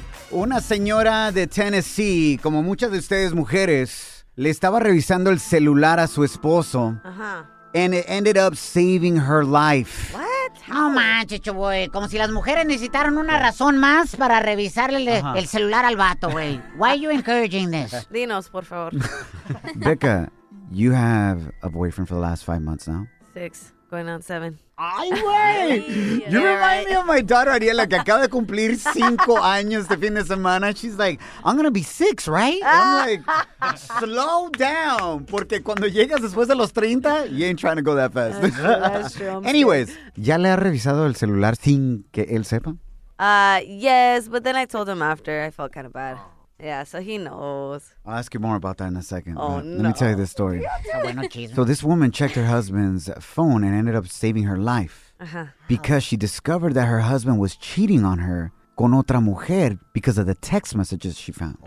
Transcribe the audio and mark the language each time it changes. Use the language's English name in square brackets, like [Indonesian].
[Spanish] Una señora de Tennessee, como muchas de ustedes mujeres, le estaba revisando el celular a su esposo. Uh-huh. [English] And it ended up saving her life. What? [Spanish] No manches, chavoy. Como si las mujeres necesitaran una razón más para revisarle el celular al vato, güey. [English] Why are you encouraging this? [Spanish] Dinos, por favor. [English] Becca, you have a boyfriend for the last 5 months now? 6. Going on 7. [Spanish] ¡Ay, güey! [English] You remind me of my daughter, [Spanish] Ariela, que acaba de cumplir 5 años este fin de semana. [English] She's like, I'm going to be 6, right? I'm like, slow down. [Spanish] Porque cuando llegas después de los 30, [English] you ain't trying to go that fast. That's true. [Spanish] Anyways, ¿ya le ha revisado el celular sin que él sepa? [English] Yes, but then I told him after. I felt kind of bad. Yeah, so he knows. I'll ask you more about that in a second. Oh, let no. me tell you this story. So this woman checked her husband's phone and ended up saving her life because she discovered that her husband was cheating on her [Spanish] con otra mujer [English] because of the text messages she found.